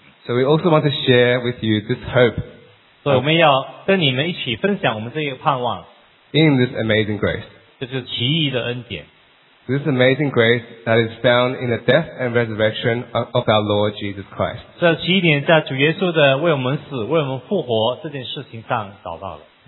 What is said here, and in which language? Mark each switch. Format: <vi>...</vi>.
<en>So we also want to share with you this hope.</en> <zh>所以我们要跟你们一起分享我们这个盼望。</zh> <en>In this amazing grace.</en> <zh>这是奇异的恩典。</zh> <en>This amazing grace that is found in the death and resurrection of our Lord Jesus Christ.</en> <zh>这奇异点在主耶稣的为我们死、为我们复活这件事情上找到了。</zh>